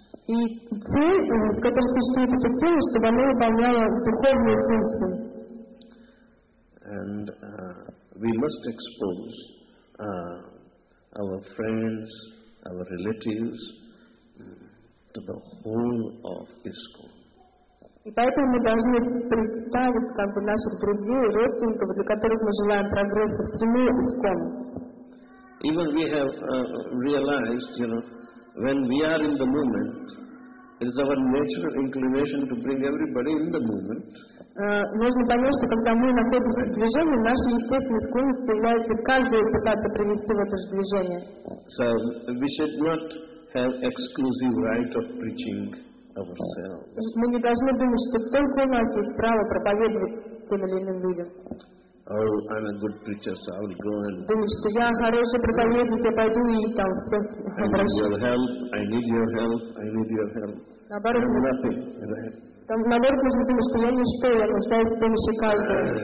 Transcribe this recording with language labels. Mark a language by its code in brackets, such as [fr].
[ru] И цель, которая существует эта цель, чтобы она выполняла духовные функции. [en] And we must expose our friends, our relatives to the whole of ISKCON. [ru] И поэтому мы должны представить как бы наших друзей, родственников, для которых мы желаем прогресса всему ISKCON. [en] Even we have realized, you know, when we are in the movement, it is our natural inclination to bring everybody in the movement. [ru] Можно понять, что когда мы находимся в движении, наша естественная склонность является каждого пытаться привести в это же движение. [en] So we should not have exclusive right of preaching ourselves. [ru] Мы не должны думать, что только у нас есть право проповедовать тем или иным людям. [en] Oh, I'm a good preacher, so I'll go and. [ru] Думаю, что я хороший проповедник, я пойду и там все. [en] I need your help. I need your help. I need your help. [ru] Наоборот, [en] I'm nothing, right? [ru] Там наоборот, нужно думать, что я ничто, я нуждаюсь в помощи каждого.